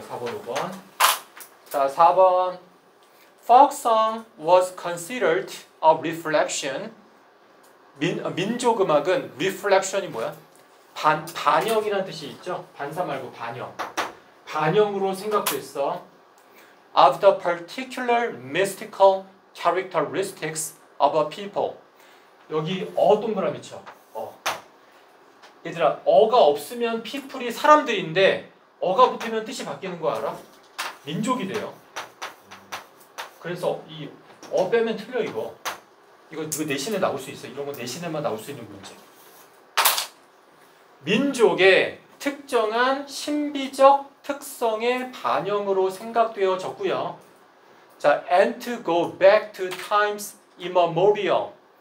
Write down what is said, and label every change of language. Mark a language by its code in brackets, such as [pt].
[ko] 4번 5번. 자, 4번 [en] folk song was considered a reflection. [ko] 민족 음악은 reflection이 뭐야? 반영이라는 뜻이 있죠. 반사 말고 반영으로 생각됐어. [en] Of the particular mystical characteristics of a people. [ko] 여기 동그라미 쳐. 얘들아, 어가 없으면 people이 사람들인데 어가 붙으면 뜻이 바뀌는 거 알아? 민족이 돼요. 그래서 이 빼면 틀려 이거. 이거 내신에 나올 수 있어. 이런 건 내신에만 나올 수 있는 문제. 민족의 특정한 신비적 특성의 반영으로 생각되어졌고요. 자, [en] and to go back to times immemorial.